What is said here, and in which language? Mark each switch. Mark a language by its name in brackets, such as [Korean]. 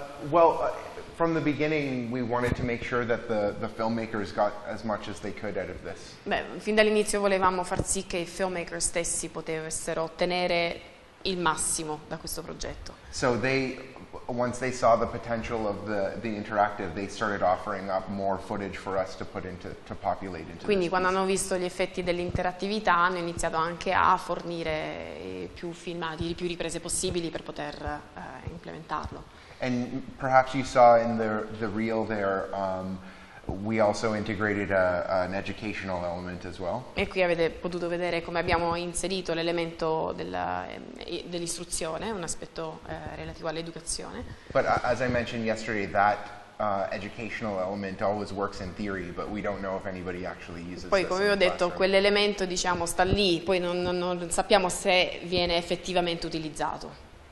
[English] Well, from the beginning, we wanted to make sure that the filmmakers got as much as they could out of this. [Italian] Fin dall'inizio volevamo far sì che I filmmaker stessi potessero ottenere il massimo da questo progetto. [English] So they. Once they saw the potential of the interactive, they started offering up more footage for us to put into to populate into. [Italian] Quindi quando hanno visto gli effetti dell'interattività, hanno iniziato anche a fornire più filmati, più riprese possibili per poter implementarlo. [English] And perhaps you saw in the reel there, we also integrated an educational element as well. [Italian] E qui avete potuto vedere come abbiamo inserito l'elemento dell'istruzione, un aspetto relativo all'educazione. [English] But as I mentioned yesterday, that educational element always works in theory, but we don't know if anybody actually uses it. [Italian] Poi, come vi ho detto, quell'elemento diciamo sta lì, poi non sappiamo se viene effettivamente utilizzato.